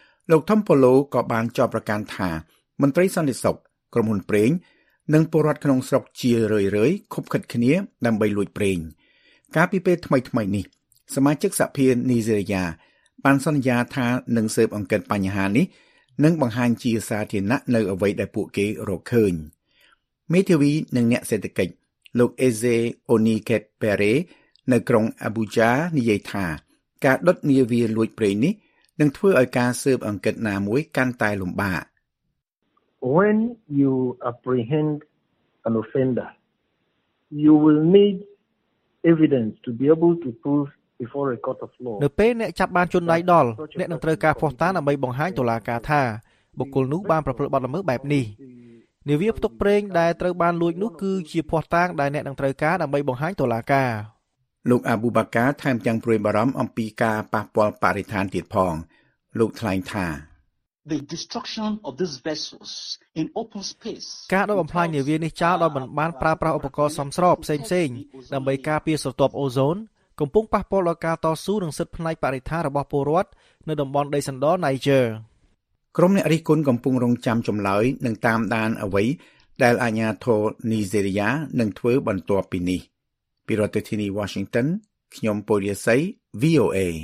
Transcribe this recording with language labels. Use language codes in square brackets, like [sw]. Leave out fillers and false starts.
[km] លោកធំប៉ូឡូក៏បានចោទប្រកាន់ថាមន្ត្រីសន្តិសុខក្រុមហ៊ុនប្រេងនិងពលរដ្ឋក្នុងស្រុកជារឿយៗខុបខិតគ្នាដើម្បីលួចប្រេងកាលពីពេលថ្មីៗនេះសមាជិកសភានីហ្សេរីយ៉ាបានសន្យាថានឹងស៊ើបអង្កេតបញ្ហានេះនឹងបង្ហាញជាសាធារណៈនៅអ្វីដែលពួកគេរកឃើញ មេធាវីនិងអ្នកសេដ្ឋកិច្ចលោកអេសេអូនីកេតប៉េរេនៅក្រុងអាប៊ូជានិយាយថាការដុតនាវាលួចប្រេងនេះនឹងធ្វើឲ្យការស៊ើបអង្កេតណាមួយកាន់តែលំបាក [en] When you apprehend an offender you will need evidence to be able to prove before a court of law [km] នៅពេលអ្នកចាប់បានជនដៃដល់អ្នកនឹងត្រូវការភស្តុតាងដើម្បីបង្ហាញតុលាការថាបុគ្គលនោះបានប្រព្រឹត្តបទល្មើសបែបនេះនាវាផ្ទុកប្រេងដែលត្រូវបានលួចនោះគឺជាភស្តុតាងដែលអ្នកនឹងត្រូវការដើម្បីបង្ហាញតុលាការ លោកអាប៊ូបាកាថែមទាំងប្រួយបារម្ភអំពីការប៉ះពាល់បរិស្ថានទៀតផងលោកថ្លែងថា [en] The destruction of these vessels in open space [km] ការដុតបំផ្លាញនាវានេះចោលដោយមិនបានប្រើប្រាស់ឧបករណ៍សមស្របផ្សេងៗដើម្បីការពារស្រទាប់អូហ្សូនកំពុងប៉ះពាល់ដល់ការតស៊ូនឹងសិទ្ធិផ្នែកបរិស្ថានរបស់ពលរដ្ឋនៅតំបន់ដីសណ្ដរ Niger ក្រុមអ្នករិះគន់កំពុងរងចាំចម្លើយនឹងតាមដានអ្វីដែលអាជ្ញាធរនីហ្សេរីយ៉ានឹងធ្វើបន្ទាប់ពីនេះពីរដ្ឋធានី Washington ខ្ញុំពូរិស័យ VOA